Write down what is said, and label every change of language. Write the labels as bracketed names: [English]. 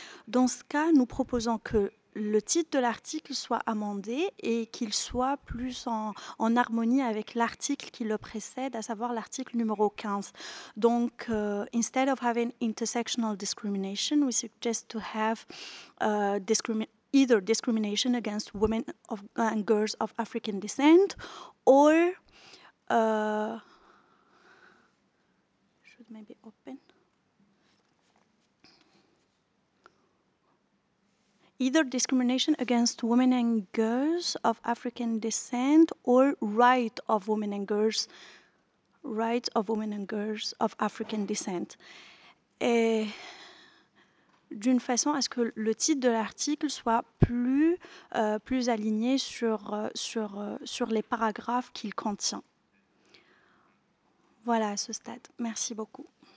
[French] Dans ce cas, nous proposons que le titre de l'article soit amendé et qu'il soit plus en harmonie avec l'article qui le précède, à savoir l'article numéro 15. [English] Donc, instead of having intersectional discrimination, we suggest to have either discrimination against women and girls of African descent, or should maybe open. Either discrimination against women and girls of African descent, or right of women and girls, right of women and girls of African descent. [French] Et d'une façon à ce que le titre de l'article soit plus aligné sur les paragraphes qu'il contient. Voilà à ce stade. Merci beaucoup.